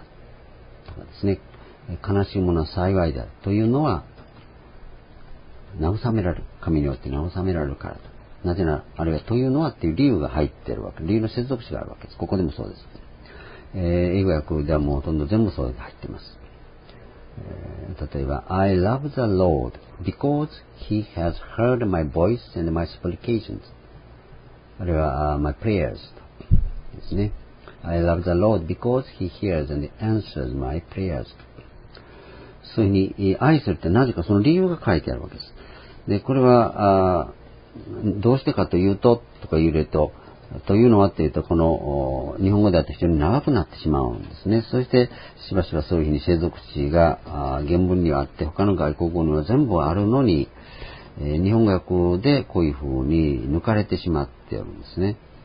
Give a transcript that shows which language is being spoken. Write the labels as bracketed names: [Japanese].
[Japanese] ですね、悲しいものは幸いだというのは慰められる、神によって慰められるからと、なぜなら、あるいはというのはという理由が入っているわけ、理由の接続詞があるわけです。ここでもそうです。英語訳ではもうほとんど全部そうで入っています。例えば [English] I love the Lord because he has heard my voice and my supplications、 [Japanese] あるいは [English] my prayers [Japanese] ですね。 [English] I love the Lord because he hears and answers my prayers。 [Japanese] そういうふうに愛するってなぜか、その理由が書いてあるわけです。で、これはどうしてかというと、とか言うと、というのはというと、この日本語だと非常に長くなってしまうんですね。そしてしばしばそういうふうに接続詞が原文にはあって、他の外国語には全部あるのに、日本語訳でこういうふうに抜かれてしまっているんですね。